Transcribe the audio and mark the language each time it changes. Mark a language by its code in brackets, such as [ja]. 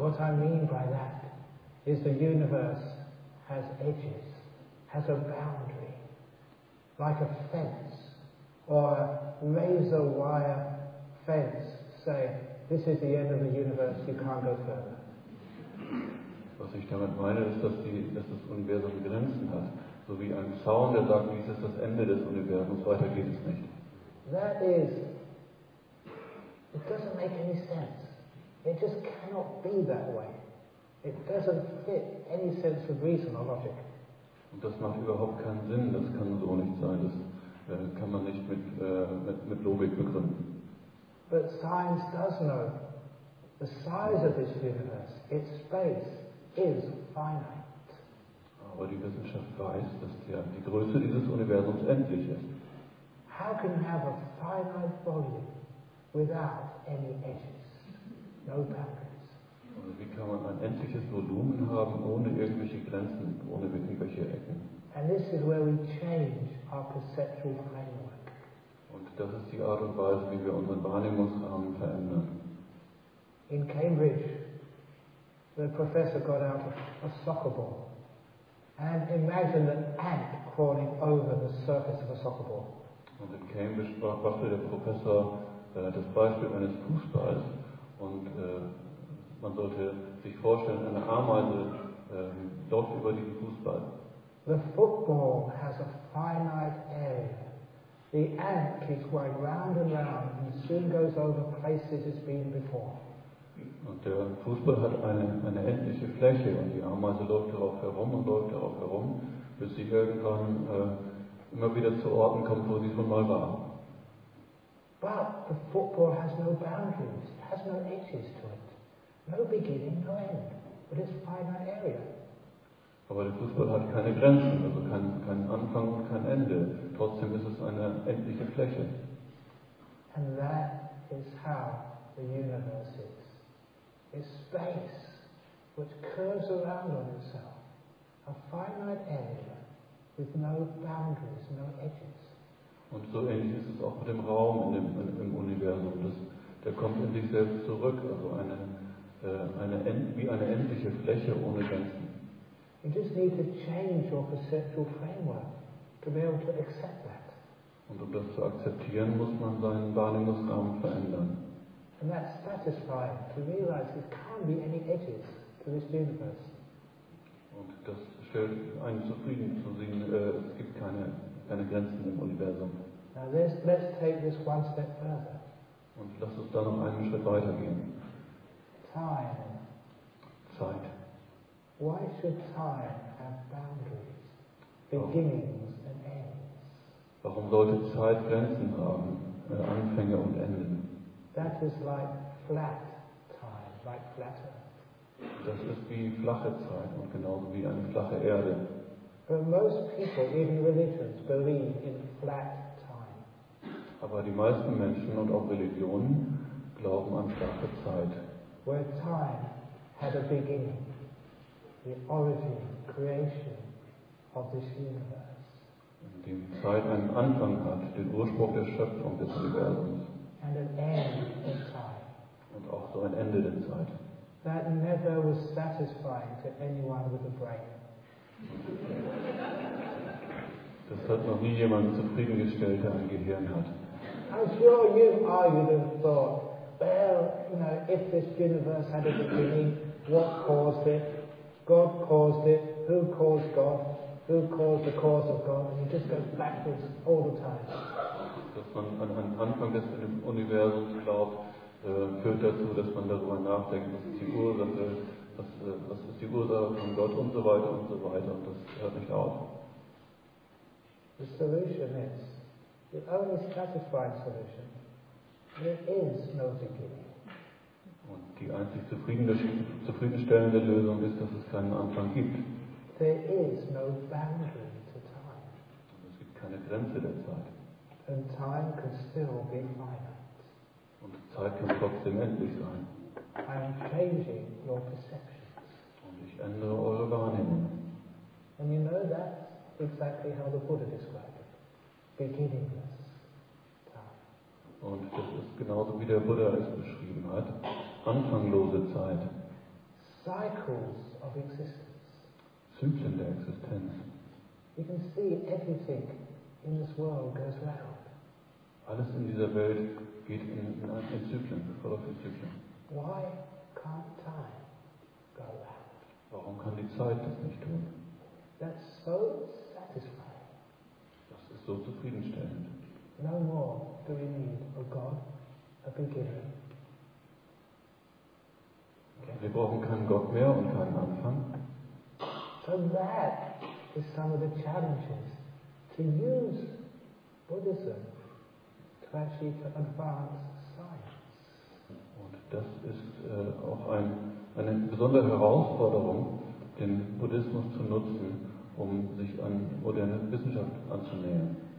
[en] What I mean by that is the universe has edges, has a boundary, like a fence, or a razor wire fence, say, this is the end of the universe, you can't go further. [de] Was ich damit meine, ist, dass das Universum Grenzen hat, so wie ein Zaun, der sagt, dies ist das Ende des Universums, weiter geht es nicht. [en] That is, it doesn't make any sense. It just cannot be that way. It doesn't fit any sense of reason or logic. [de] Und das macht überhaupt keinen Sinn. Das kann so nicht sein. Das kann man nicht mit Logik begründen. [en] But science does know the size of this universe, its space is finite. [de] Aber die Wissenschaft weiß, dass die Größe dieses Universums endlich ist. [en] How can you have a finite volume without any edges? No boundaries. [de] Also wie kann man ein endliches Volumen haben ohne irgendwelche Grenzen, ohne irgendwelche Ecken? [en] And this is where we change our perceptual framework. [de] Und das ist die Art und Weise, wie wir unseren Wahrnehmungsrahmen verändern. [en] In Cambridge, the professor got out a soccer ball and imagined an ant crawling over the surface of a soccer ball. [de] Und in Cambridge brachte der Professor das Beispiel eines Fußballs und man sollte sich vorstellen, eine Ameise läuft über diesen Fußball. [en] The football has a finite area. The ant keeps going round and round and soon goes over places it's been before. [de] Und der Fußball hat eine endliche Fläche und die Ameise läuft darauf herum und läuft darauf herum, bis sie irgendwann immer wieder zu Orten kommt, wo sie schon mal war. [en] But the football has no boundaries, it has no edges to it. No beginning, no end, but it's a finite area. [de] Aber der Fußball hat keine Grenzen, also kein Anfang und kein Ende. Trotzdem ist es eine endliche Fläche. [en] And that is how the universe is. It's space, which curves around on itself. A finite area, with no boundaries, no edges. [de] Und so ähnlich ist es auch mit dem Raum im Universum. Der kommt in sich selbst zurück, also eine endliche Fläche ohne Grenzen. [en] You just need to change your perceptual framework to be able to accept that. [de] Und um das zu akzeptieren, muss man seinen Wahrnehmungsrahmen verändern. [en] And that's satisfying to realize there can't be any edges to this universe. [de] Und das stellt einen zufrieden zu sehen, es gibt keine Grenzen im Universum. [en] Now let's take this one step further. [de] Und lass uns dann noch einen Schritt weitergehen. [en] Time. [de] Zeit. [en] Why should time have boundaries, beginnings and ends? [de] Warum sollte Zeit Grenzen haben, Anfänge und Enden? [en] That is like flat time, like flat Earth. [de] Das ist wie flache Zeit und genauso wie eine flache Erde. [en] But most people, even religions, believe in flat time. [de] Aber die meisten Menschen und auch Religionen glauben an flache Zeit. [en] Where time had a beginning. The origin, creation of this universe. [de] In dem Zeit einen Anfang hat, den Ursprung der Schöpfung des Universums. [en] And an end in time. [de] Und auch so ein Ende der Zeit. [en] That never was satisfying to anyone with a brain. [de] Das hat noch nie jemand zufriedengestellt, der ein Gehirn hat. [en] I'm sure you argued and thought, well, you know, if this universe had a beginning, what caused it? God caused it. Who caused God? Who caused the cause of God? And you just go backwards all the time. [de] Dass man an Anfang des Universums glaubt, führt dazu, dass man darüber nachdenkt, was ist die Ursache, was ist die Ursache von Gott und so weiter und so weiter. Und das hört nicht auf. [en] The solution is the only satisfying solution. There is no beginning. [de] Und die einzig zufriedenstellende Lösung ist, dass es keinen Anfang gibt. [en] There is no boundary to time. [de] Und es gibt keine Grenze der Zeit. [en] And time can still be finite. [de] Und Zeit kann trotzdem endlich sein. [en] I'm changing your perceptions. [de] Und ich ändere eure Wahrnehmung. [en] And you know that's exactly how the Buddha described it. Beginningless. [de] Und das ist genauso, wie der Buddha es beschrieben hat. Anfanglose Zeit. [en] Cycles of existence. [de] Zyklen der Existenz. [en] You can see everything in this world goes round. [de] Alles in dieser Welt geht in Zyklen, verläuft in Zyklen. [en] Why can't time go round? [de] Warum kann die Zeit das nicht tun? [en] That's so satisfying. [de] Das ist so zufriedenstellend. [en] No more do we need a God, a beginning. Okay. [de] Wir brauchen keinen Gott mehr und keinen Anfang. [en] So that is some of the challenges to use Buddhism to actually to advance science. [de] Und das ist auch eine besondere Herausforderung, den Buddhismus zu nutzen, um sich an moderne Wissenschaft anzunähern.